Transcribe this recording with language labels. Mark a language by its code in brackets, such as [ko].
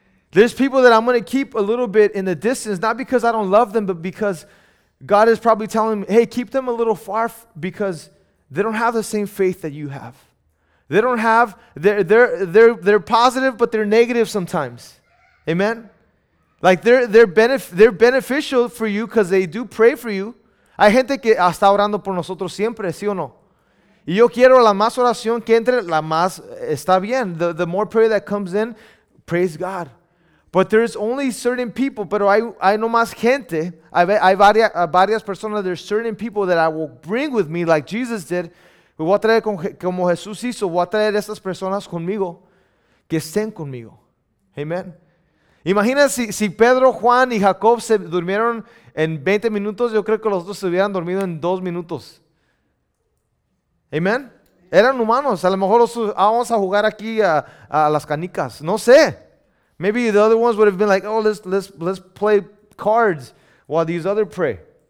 [en] There's people that I'm going to keep a little bit in the distance, not because I don't love them, but because God is probably telling me, hey, keep them a little far because they don't have the same faith that you have. They don't have, they're positive, but they're negative sometimes. Amen? Like they're beneficial for you because they do pray for you. [es] Hay gente que está orando por nosotros siempre, ¿sí o no? Y yo quiero la más oración que entre, la más está bien. [en] The more prayer that comes in, praise God. But there's only certain people, [es] pero hay no más gente. Hay varias personas, [en] there's certain people that I will bring with me like Jesus did. [es] Voy a traer como Jesús hizo, voy a traer a esas personas conmigo, que estén conmigo. Amen. Imagina si Pedro, Juan y Jacob se durmieron en 20 minutos, yo creo que los dos se hubieran dormido en 2 minutos. Amen. Eran humanos. A lo mejor vamos a jugar aquí a las canicas. No sé. [en] Maybe the other ones would have been like, oh, let's play cards while these other pray.